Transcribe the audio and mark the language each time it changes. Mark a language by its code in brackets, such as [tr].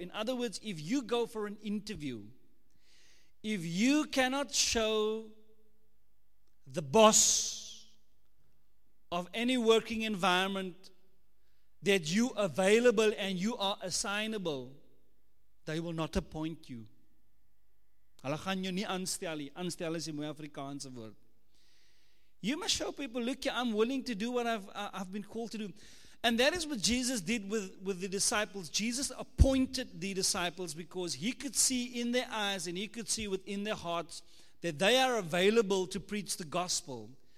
[en] In other words, if you go for an interview, if you cannot show the boss of any working environment that you are available and you are assignable, they will not appoint you. [af] Hulle gaan jou nie aanstel nie. Aanstel is 'n mooi Afrikaanse woord. [en] You must show people, look, I'm willing to do what I've been called to do. And that is what Jesus did with the disciples. Jesus appointed the disciples because he could see in their eyes and he could see within their hearts that they are available to preach the gospel.